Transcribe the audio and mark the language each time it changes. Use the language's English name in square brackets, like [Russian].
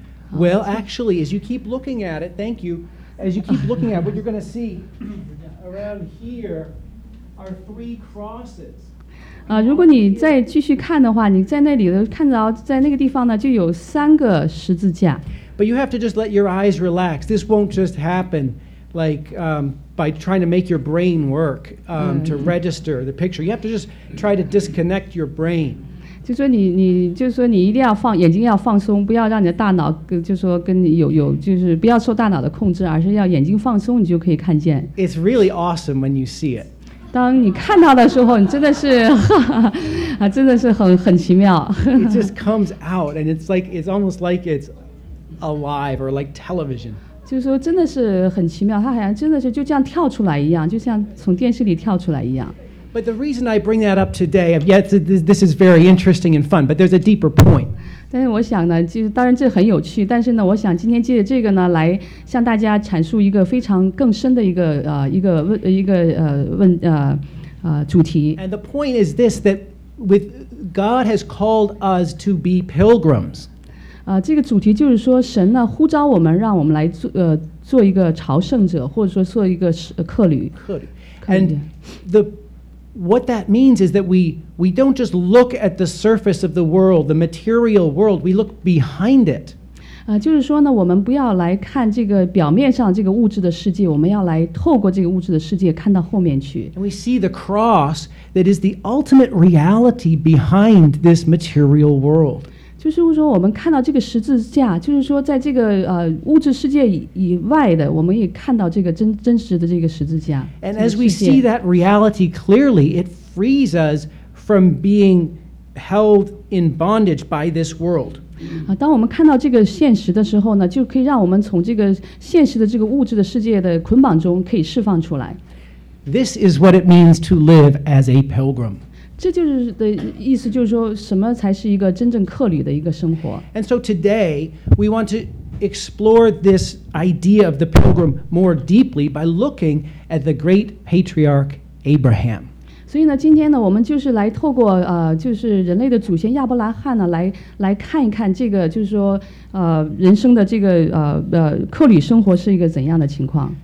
[English] Well, actually, as you keep looking at it, thank you. As you keep looking at it, what you're going to see around here are three crosses. [Chinese] 如果你再继续看的话，你在那里的看到在那个地方呢，就有三个十字架。 [English] But you have to just let your eyes relax. This won't just happen like by trying to make your brain work to register the picture. You have to just try to disconnect your brain. [Chinese] 就说你就说你一定要放眼睛要放松，不要让你的大脑跟就说跟你有就是不要受大脑的控制，而是要眼睛放松，你就可以看见。 [English] It's really awesome when you see it. [Chinese] 当你看到的时候，你真的是哈哈真的是很奇妙。 [English] It just comes out and it's like it's almost like it's alive or like television. [Chinese] 就是说真的是很奇妙，它好像真的是就这样跳出来一样，就像从电视里跳出来一样。 [English] But the reason I bring that up today, yes, this is very interesting and fun, but there's a deeper point. [Chinese] 但是我想呢，就是当然这很有趣，但是呢，我想今天借着这个呢，来向大家阐述一个非常更深的一个主题。 [English] And the point is this, that with God has called us to be pilgrims. [Chinese] 这个主题就是说神呢呼召我们让我们来 做一个朝圣者，或者说做一个客旅。 [English] And what that means is that we don't just look at the surface of the world, the material world, we look behind it. [Chinese] 就是说呢，我们不要来看这个表面上这个物质的世界，我们要来透过这个物质的世界看到后面去。 [English] And we see the cross that is the ultimate reality behind this material world. [Chinese] 就是说我们看到这个十字架，就是说在这个物质世界以外的，我们也看到这个 真实的这个十字架。 [English] And as we see that reality clearly, it frees us from being held in bondage by this world. [Chinese] 当我们看到这个现实的时候呢，就可以让我们从这个现实的这个物质的世界的捆绑中可以释放出来。 [English] This is what it means to live as a pilgrim. [Chinese] 这就是的意思，就是说什么才是一个真正客旅的一个生活。 [English] And so today we want to explore this idea of the pilgrim more deeply by looking at the great patriarch Abraham. [Chinese] 所以呢，今天呢，我们就是来透过就是人类的祖先亚伯拉罕呢，来看一看这个就是说人生的这个客旅生活是一个怎样的情况。